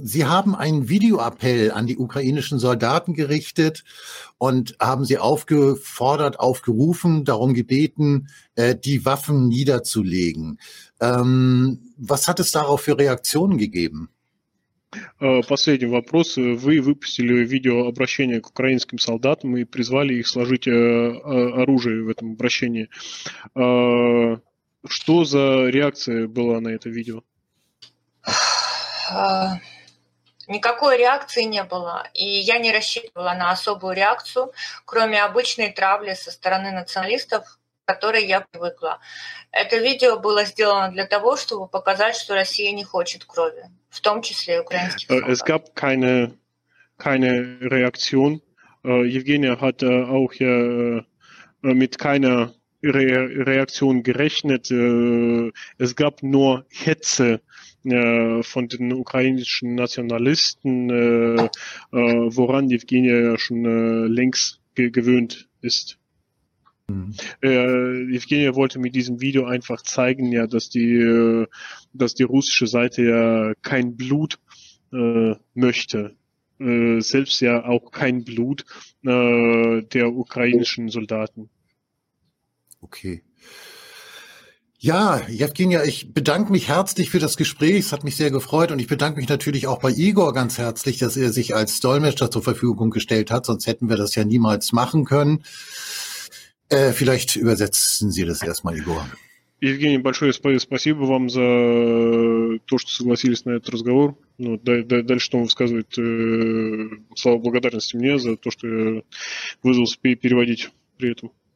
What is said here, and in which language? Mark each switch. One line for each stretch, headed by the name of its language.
German: Sie haben einen Videoappell an die ukrainischen Soldaten gerichtet und haben sie aufgerufen, darum gebeten, die Waffen niederzulegen. Was hat es darauf für Reaktionen gegeben?
Russian: Последний вопрос. Вы выпустили видеообращение к украинским солдатам и призвали их сложить оружие в этом обращении. Что за реакция была на это видео? Никакой реакции не было. И я не рассчитывала на особую реакцию, кроме обычной травли со стороны националистов, к которой я привыкла. Это видео было сделано для того, чтобы показать, что Россия не хочет крови. В том числе украинских солдат.
German: Es gab keine Reaktion. Евгения hat auch ja mit keiner Reaktion gerechnet. Es gab nur Hetze von den ukrainischen Nationalisten, woran Евгения schon längst gewöhnt ist. ist. Евгения wollte mit diesem Video einfach zeigen, ja, dass die russische Seite ja kein Blut möchte. Selbst ja auch kein Blut der ukrainischen Soldaten. Okay. Ja, Evgenia, ich bedanke mich herzlich für das Gespräch. Es hat mich sehr gefreut. Und ich bedanke mich natürlich auch bei Igor ganz herzlich, dass er sich als Dolmetscher zur Verfügung gestellt hat. Sonst hätten wir das ja niemals machen können. Vielleicht übersetzen Sie das erstmal, Igor.
Russian: Евгений, большое спасибо вам за то, что согласились на этот разговор. Ну, дальше Том высказывает слова благодарности мне за то, что я вызвался переводить при этом.